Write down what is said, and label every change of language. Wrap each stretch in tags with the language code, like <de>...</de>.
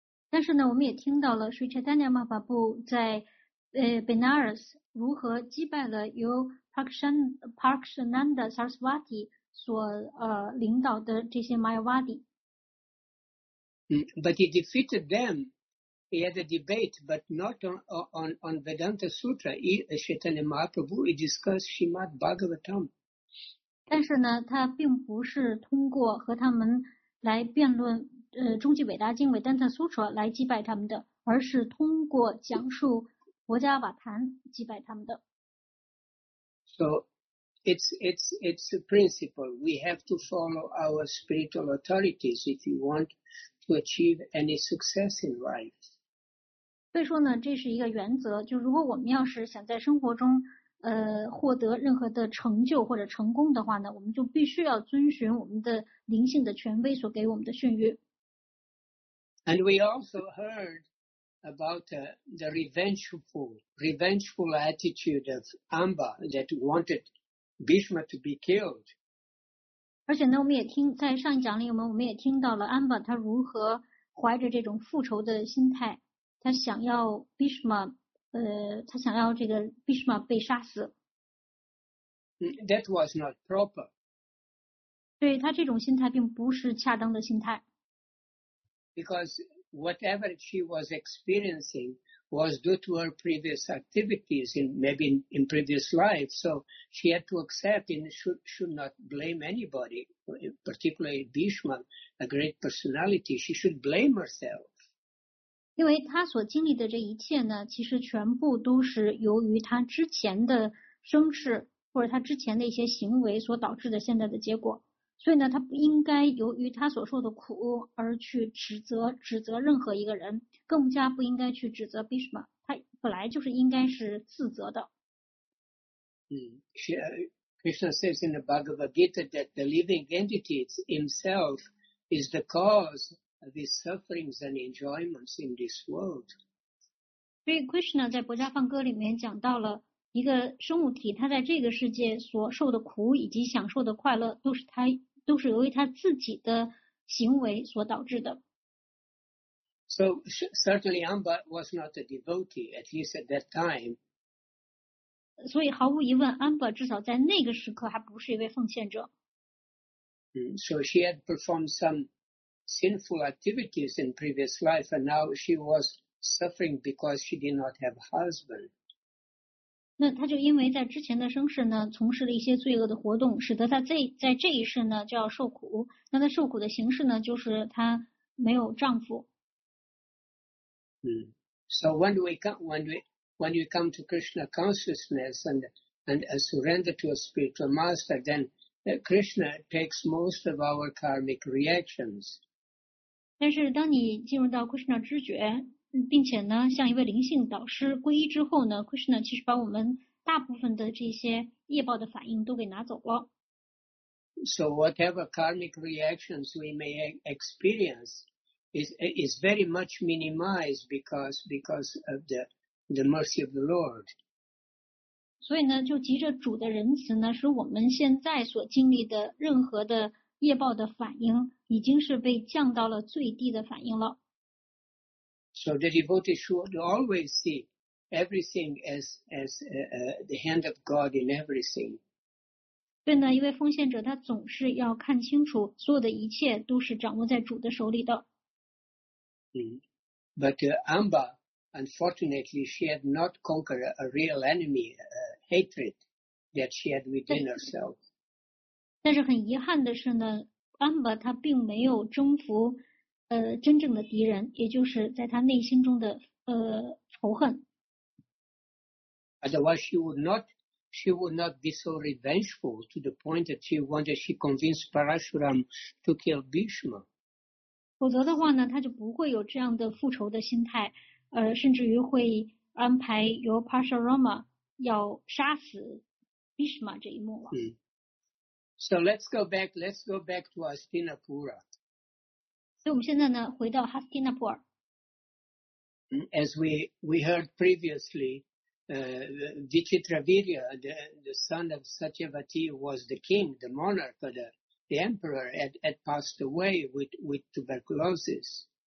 <zh>但是呢，我们也听到了 Sri Chaitanya Mahaprabhu 在Benares 如何击败了由 Prakashananda Saraswati 所领导的这些 Mayavadi.</zh> <en>But he defeated them. He had a debate, but not on Vedanta Sutra. Chaitanya Mahaprabhu he discussed Srimad Bhagavatam.</en> <zh>但是呢，他并不是通过和他们来辩论终极伟大经伟丹特苏舍来击败他们的，而是通过讲述国家瓦坛击败他们的。</zh> <en>So it's a principle. We have to follow our spiritual authorities if you want to achieve any success in life.</en> <zh>所以说呢，这是一个原则，就如果我们要是想在生活中获得任何的成就或者成功的话呢，我们就必须要遵循我们的灵性的权威所给我们的训谕。</zh> <en>And we also heard about the revengeful attitude of Amba that wanted Bhishma to be killed.</en> <zh>而且呢，我们也听在上一讲里我们也听到了 Amba 他如何怀着这种复仇的心态，他想要 Bhishma。他想要这个 Bhishma 被杀死。</zh> <en>That was not proper.</en> <zh>对，他这种心态并不是恰当的心态。</zh> <en>Because whatever she was experiencing was due to her previous activities in maybe in previous life, so she had to accept and should not blame anybody, particularly Bhishma, a great personality. She should blame herself.</en> <zh>因为他所经历的这一切呢，其实全部都是由于他之前的生事或者他之前的一些行为所导致的现在的结果，所以呢，他不应该由于他所受的苦而去指责任何一个人，更加不应该去指责 Bhishma， 他本来就是应该是自责的。</zh> <en>Krishna says in the Bhagavad Gita that the living entity himself is the cause of his sufferings and enjoyments in this world.</en> <zh>所以 Krishna 在博迦梵歌里面讲到了一个生物体，他在这个世界所受的苦以及享受的快乐，都是由于他自己的行为所导致的。</zh> <en>So certainly Amba was not a devotee, at least at that time.</en> <zh>所以毫无疑问，Amba至少在那个时刻还不是一位奉献者。</zh> <en>So she had performed some sinful activities in previous life, and now she was suffering because she did not have a husband.</en> <zh>那他就因为在之前的生世呢，从事了一些罪恶的活动，使得他在这一世呢就要受苦。那他受苦的形式呢，就是他没有丈夫。</zh> <en>So when we come to Krishna consciousness and a surrender to a spiritual master, then Krishna takes most of our karmic reactions.</en> <zh>但是当你进入到 Krishna 知觉。并且呢，像一位灵性导师皈依之后呢 ，Krishna 其实把我们大部分的这些业报的反应都给拿走了。</zh> <en>So whatever karmic reactions we may experience is very much minimized because of the mercy of the Lord.</en> <zh>所以呢，就藉着主的仁慈呢，使我们现在所经历的任何的业报的反应，已经是被降到了最低的反应了。</zh> <en>So the devotee should always see everything as the hand of God in everything.</en> <zh>对呢，一位奉献者他总是要看清楚，所有的一切都是掌握在主的手里的。</zh> <en>But Amba, unfortunately, she had not conquered a real enemy, hatred that she had within herself.</en> <zh>但是很遗憾的是呢 ，Amba 她并没有征服。真正的敌人，也就是在他内心中的仇恨。</zh> <en>Otherwise, she would not be so revengeful to the point that she wanted she convinced Parashuram to kill Bhishma.</en> <zh>否则的话呢，他就不会有这样的复仇的心态，甚至于会安排由 Parashurama 要杀死 Bhishma 这一幕了。</zh> <en>So let's go back to Hastinapura.</en> <zh>所以我们现在呢，回到哈斯提纳普尔。</zh> <en>As we heard previously, Vichitravirya, the son of Satyavati, was the king, the monarch, the emperor, had passed away with tuberculosis.</en>